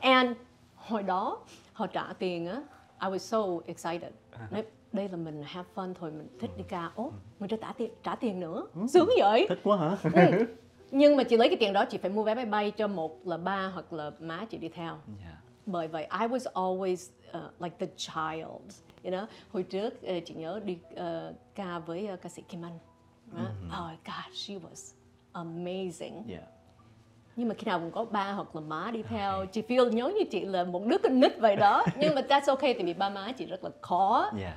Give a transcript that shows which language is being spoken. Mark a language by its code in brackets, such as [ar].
[en] And [vi] hồi đó, họ trả tiền á, [en] I was so excited. [vi] Đây là mình [en] have fun [vi] thôi, mình thích đi ca. Mình chưa trả tiền nữa. Sướng vậy. Thích quá hả? Nhưng mà chị lấy cái tiền đó, chị phải mua vé máy bay cho một là ba hoặc là má chị đi theo. Yeah. Bởi vậy, [en] I was always like the child, you know. [vi] Hồi trước, chị nhớ đi ca với ca sĩ Kim Anh. [en] Oh God, she was amazing. Yeah. [vi] Nhưng mà khi nào cũng có ba hoặc là má đi theo, chị feel nhớ như chị là một đứa con nít vậy đó. Nhưng mà [en] that's okay, [vi] tại vì ba má chị rất là khó.